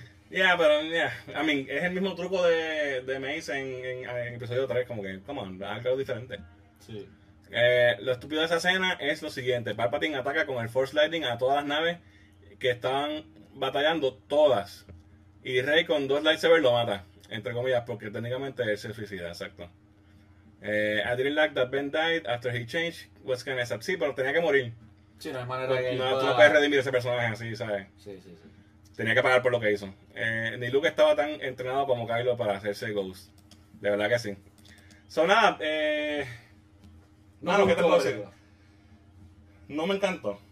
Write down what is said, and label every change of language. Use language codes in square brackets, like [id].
[es] Yeah, pero yeah, [en] I mean, [es] es el mismo truco de Mace en episodio 3, como que, [en] come on, [es] algo diferente. Sí. Lo estúpido de esa escena es lo siguiente: Palpatine ataca con el Force Lightning a todas las naves que estaban batallando, todas. Y Rey con dos lightsabers lo mata, entre comillas, porque técnicamente él se suicida, exacto. [en] I didn't like that Ben died after he changed. What's gonna happen? [es] Sí, pero tenía que morir. Sí, no hay manera de no, tú no puedes redimir ese personaje así, ¿sabes? Sí, sí, sí. Tenía que pagar por lo que hizo. Ni Luke estaba tan entrenado como Kylo para hacerse Ghost. De verdad que sí. So, nada. No, ¿qué te puedo decir? No me encantó.